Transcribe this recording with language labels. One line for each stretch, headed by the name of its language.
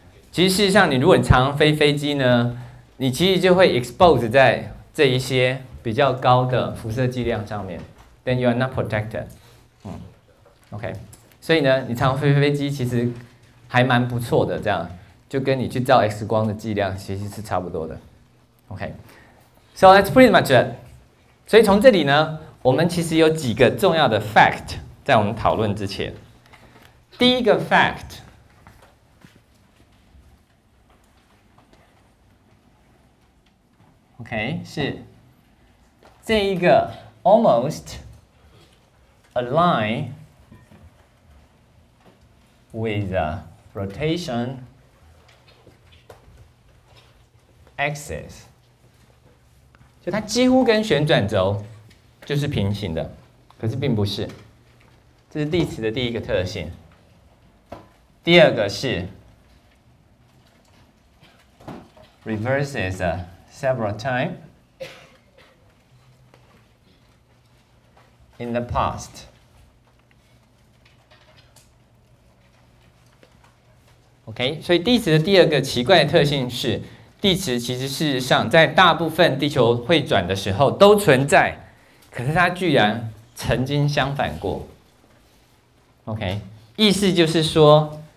Chinese: 其实事实上，你如果你常飞飞机呢，你其实就会 expose 在这一些比较高的辐射剂量上面 ， then you are not protected。 OK， 所以呢，你常飞飞机其实还蛮不错的这样。就跟你去照 X 光的剂量其实是差不多的。
English: OK， So that's pretty much it。
Chinese: 所以从这里呢，我们其实有几个重要的 fact 在我们讨论之前。第一个 fact， 是这一个 almost align with the rotationaxis，就它几乎跟旋转轴就是平行的，可是并不是。这是地磁的第一个特性。
English: 第二个是 reverses several times in the past。
Chinese: OK， 所以地磁的第二个奇怪的特性是，地磁其实事实上在大部分地球会转的时候都存在，可是它居然曾经相反过。OK， 意思就是说，